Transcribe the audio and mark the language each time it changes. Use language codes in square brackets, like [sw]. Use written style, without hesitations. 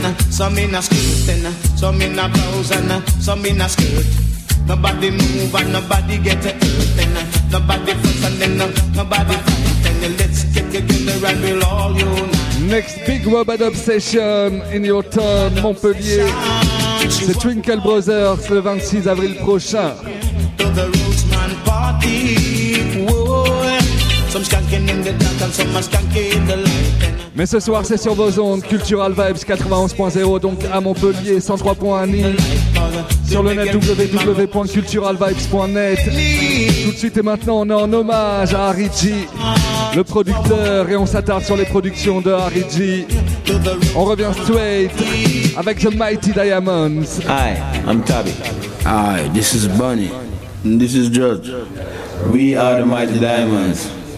[en] Some in a skirt, some in a blouse, some in a skirt. Nobody move and nobody get a hurt and nobody fuss and then nobody fight. And let's get together and we'll all unite. Next big rubber dub session in your town, Montpellier. [fr] The Twinkle Brothers, le 26 avril prochain. [en] To the Rootsman party. Some skanking in the dark and some skanking the light. [fr] Mais ce soir, c'est sur vos ondes, Cultural Vibes 91.0, donc à Montpellier, 103.1, sur le net www.culturalvibes.net. Tout de suite et maintenant, on est en hommage à Harry G, le producteur, et on s'attarde sur les productions de Harry G. On revient [en] straight [fr] avec The Mighty Diamonds. [en] Hi, I'm Tabby. Hi, this is Bunny. And this is George. We are The Mighty Diamonds.